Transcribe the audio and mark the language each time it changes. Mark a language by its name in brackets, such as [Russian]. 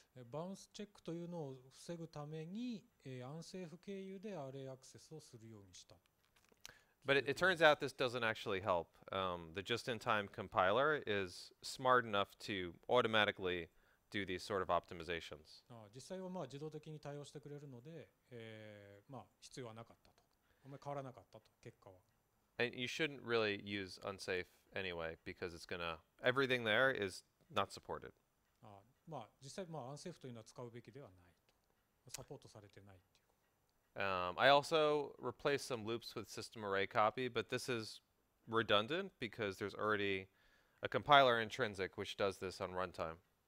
[Japanese] Bounce check というのを防ぐために、unsafe 経由でアレイアクセスをするようにした。 [English] But it turns out this doesn't actually help. The just-in-time compiler is smart enough to automatically do these sort of optimizations. [Japanese] 実際はまあ自動的に対応してくれるので、まあ必要はなかったと。あんまり変わらなかったと、結果は。 [English] And you shouldn't really use unsafe anyway because it's gonna everything there is not supported. [Japanese] まあ実際まあ unsafe というのは使うべきではないと。サポートされてないっていう。 [English] I also replaced some loops with system array copy, but this is redundant because there's already a compiler intrinsic which does this on runtime.